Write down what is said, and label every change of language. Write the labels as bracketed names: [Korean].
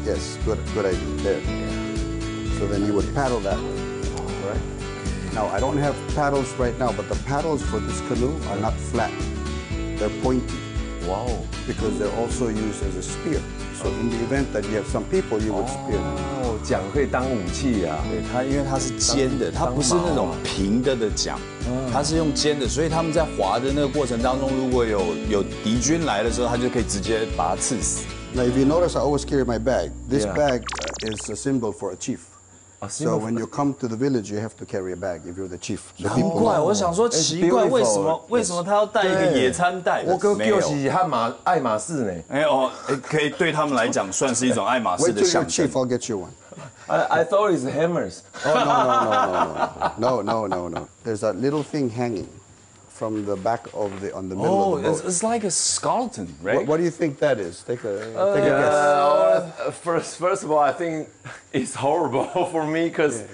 [English] Yes, good idea. There. So then you would paddle that way. Right? Now, I don't have paddles right now, but the paddles for this canoe are not flat. They're pointy. Wow. Because they're also used as a spear. So in the event that you have some people, you would spear. [Chinese] 桨可以当武器啊！对，它因为它是尖的，它不是那种平的的桨，它是用尖的，所以他们在划的那个过程当中，如果有敌军来的时候，他就可以直接把它刺死。 [English] Now if you notice, I always carry my bag. This bag is a symbol for a chief. So when you come to the village, you have to carry a bag if you're the chief. [Chinese] 难怪我想说奇怪，为什么他要带一个野餐袋？我哥就是爱马仕呢。可以对他们来讲算是一种爱马仕的象征。 [English] Wait till your chief, I'll get you one. I thought it's hammers. Oh, no. There's a little thing hanging from the back of the, on the middle of the boat. Oh, it's like a skeleton, right? What do you think that is? Take a guess. First of all, I think it's horrible for me because